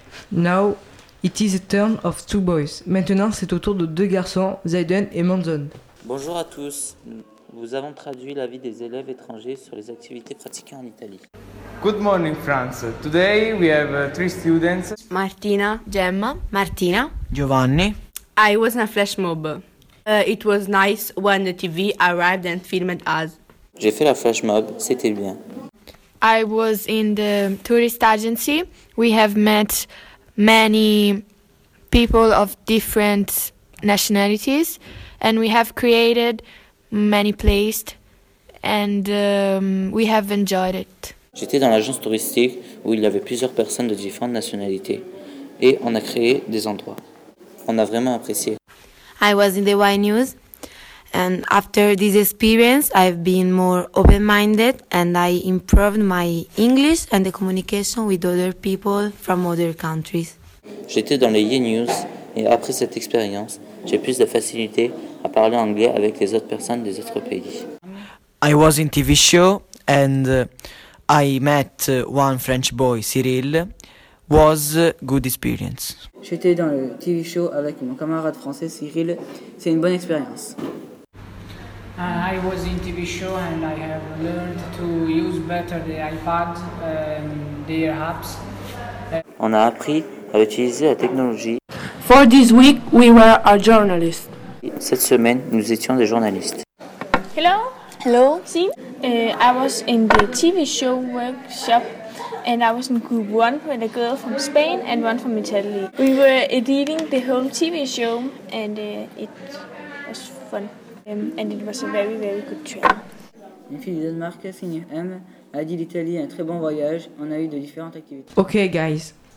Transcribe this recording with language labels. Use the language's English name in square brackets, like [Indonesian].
[English] Now, it is the turn of two boys. [French] Maintenant, c'est au tour de deux garçons, Zayden et Manzon. Bonjour à tous. Nous avons traduit l'avis des élèves étrangers sur les activités pratiquées en Italie. [English] Good morning, France. Today, we have three students. Martina. Gemma. Martina. Giovanni. I was in a flash mob. It was nice when the TV arrived and filmed us. [French] J'ai fait la flash mob, c'était bien. [English] I was in the tourist agency. We have met many people of different nationalities and we have created many places and we have enjoyed it. [French] J'étais dans l'agence touristique où il y avait plusieurs personnes de différentes nationalités et on a créé des endroits. On a vraiment apprécié. [English] I was in the Y News and after this experience I've been more open-minded and I improved my English and the communication with other people from other countries. [French] J'étais dans les Y News et après cette expérience, j'ai plus de facilité à parler anglais avec les autres personnes des autres pays. [English] I was in TV show and I met one French boy, Cyril. Was a good experience. [French] J'étais dans le TV show avec mon camarade français Cyril. C'est une bonne expérience. [English] I was in TV show and I have learned to use better the iPad and their apps. [French] On a appris à utiliser la technologie. [English] For this week, we were a journalist. [French] Cette semaine, nous étions des journalistes. [English] Hello. Hello. Si. I was in the TV show workshop. And I was in group one with a girl from Spain and one from Italy. We were editing the whole TV show and it was fun. And it was a very, very good trip. [French] Une fille du Danemark, signe M, a dit l'Italie un très bon voyage. On a eu de différentes activités. [English] Ok, guys.